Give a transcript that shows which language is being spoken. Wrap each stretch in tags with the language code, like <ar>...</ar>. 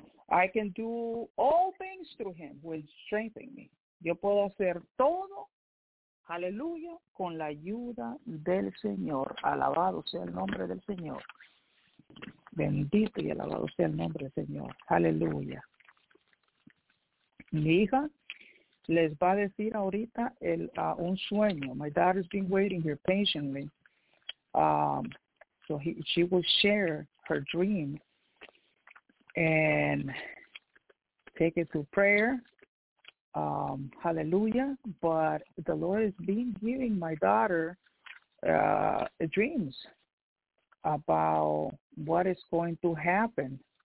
<en>I can do all things through him who is strengthening me.</en> <es>Yo puedo hacer todo, aleluya, con la ayuda del Señor. Alabado sea el nombre del Señor. Bendito y alabado sea el nombre del Señor. Aleluya. Mi hija les va a decir ahorita un sueño.</es> <en>My daughter's been waiting here patiently. So she will share her dream and take it to prayer. Hallelujah. But the Lord has been giving my daughter dreams about what is going to happen.</en>